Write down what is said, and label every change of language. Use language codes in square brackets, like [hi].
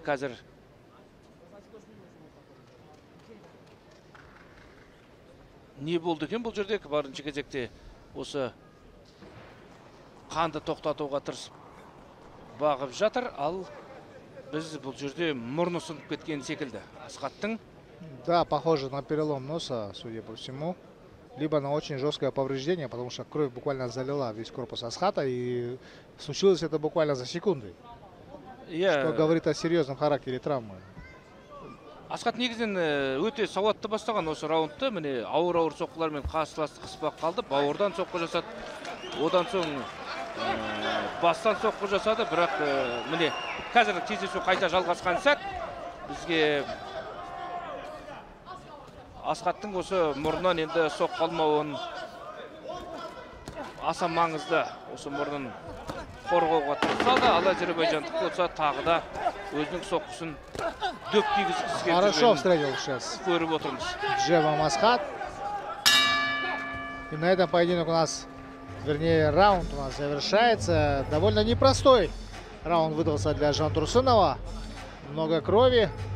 [kk] Қазір не болды екен бұл жерде? Барынша кезекте осы қанды тоқтатуға тырысып бағып жатыр, ал біз бұл жерде мұрны сынып кеткен секілді Асхаттың. [ru] Да, похоже на перелом носа, судя по всему, либо на очень жесткое повреждение, потому что кровь буквально залила весь корпус Асхата, и случилось это буквально за секунды. Что говорит о серьезном характере травмы. [kk] Асхат негізден өте сауатты бастаған осы раундты. Міне, ауыр-ауыр соққылармен қарсыласты қыспа қалды, бауырдан соққы жасады, одан соң бастан соққы жасады. Бірақ міне қазір кездесу қайта жалғасқан сәт, бізге Асхаттың осы мұрнынан енді соққы алмауын аса маңызды, осы мұрнын қорғауға тұрса да, ал әзербайжандық болса тағы да өзінің соққысын дөп тигізгісі [ru] хорошо встретил сейчас [kk] көріп отырмыз [ru] Джебом Асхат. И на этом поединок у нас, вернее, раунд у нас завершается. Довольно непростой раунд выдался для Жантұрсынова. Много крови.